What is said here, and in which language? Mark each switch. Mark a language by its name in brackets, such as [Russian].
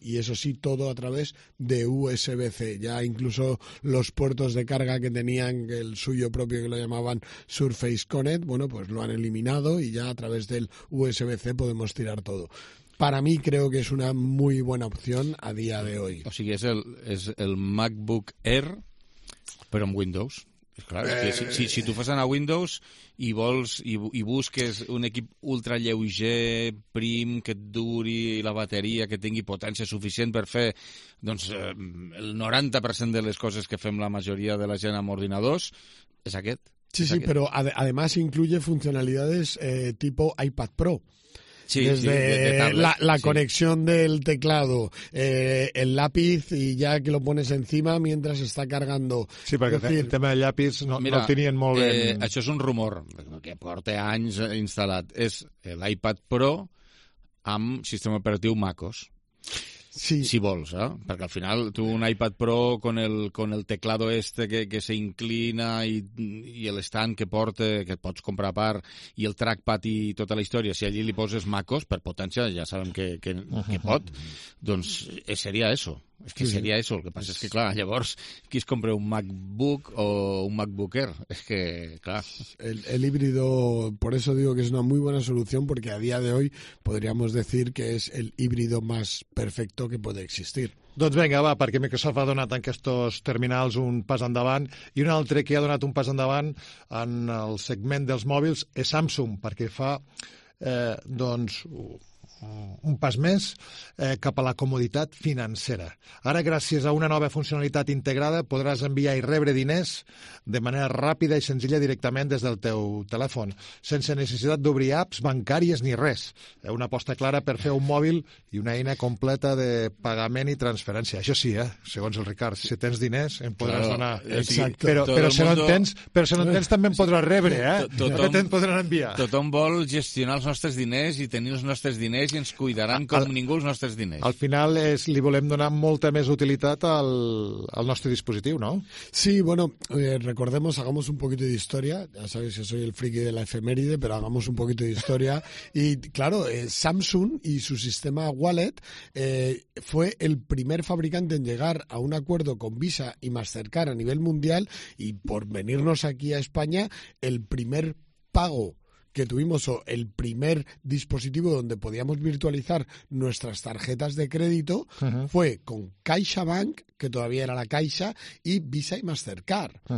[Spanish] Y eso sí, todo a través de USB-C. Ya incluso los puertos de carga que tenían el suyo propio, que lo llamaban Surface Connect, bueno, pues lo han eliminado y ya a través del USB-C podemos tirar todo. Para mí creo que es una muy buena opción a día de hoy. O sea, es el MacBook Air, pero en Windows. [Catalan] Claro, si tu fas anar a Windows i vols i busques un equip ultra lleuger, prim, que et duri la bateria, que tingui potència suficient per fer doncs, el 90% de les coses que fem la majoria de la gent amb ordinadors, és aquest. [Spanish] Sí, sí, pero además incluye funcionalidades tipo iPad Pro. Sí, la conexión del teclado, el lápiz, y ya que lo pones encima mientras está cargando. [Catalan] Sí, perquè [Spanish] decir, [Catalan] el tema del llapis no tenien molt bé. Això és un rumor que porta anys instal·lat. És l'iPad Pro amb sistema operatiu macOS. Sí. Si vols, ¿eh? [Spanish] Porque al final tú un iPad Pro con el teclado este que se inclina y el stand que porte, que puedes comprar a par, y el trackpad y toda la historia, si allí [Catalan] le poses macOS per potencia, [Spanish] ya saben que pot, entonces sería eso. [Catalan] És que seria això, el que passa és que, clar, llavors qui es compra un MacBook o un MacBook Air? És que, clar... [Spanish] El híbrido, por eso digo que es una muy buena solución, porque a día de hoy podríamos decir que es el híbrido más perfecto que puede existir. [Catalan] Doncs vinga, va, perquè Microsoft ha donat en aquests terminals un pas endavant, i un altre que ha donat un pas endavant en el segment dels mòbils és Samsung, perquè fa, doncs... un pas més cap a la comoditat financera. Ara, gràcies a una nova funcionalitat integrada, podràs enviar i rebre diners de manera ràpida i senzilla directament des del teu telèfon, sense necessitat d'obrir apps bancàries ni res. Una aposta clara per fer un mòbil i una eina completa de pagament i transferència. Això sí, segons el Ricard, si tens diners, em podràs donar. Exacte. Però si no en tens, també en podràs rebre, Tothom, te'n podran enviar. Tothom vol gestionar els nostres diners i tenir els nostres diners i ens cuidaran com ningú els nostres diners. Al final li volem donar molta més utilitat al nostre dispositiu, no? [Spanish] Sí, bueno, recordemos, hagamos un poquito de historia, ya sabes que soy el friki de la efeméride, pero hagamos un poquito de historia. Y claro, Samsung y su sistema Wallet fue el primer fabricante en llegar a un acuerdo con Visa y Mastercard a nivel mundial, y por venirnos aquí a España, el primer pago que tuvimos, o el primer dispositivo donde podíamos virtualizar nuestras tarjetas de crédito, fue con CaixaBank, que todavía era la Caixa, y Visa y Mastercard.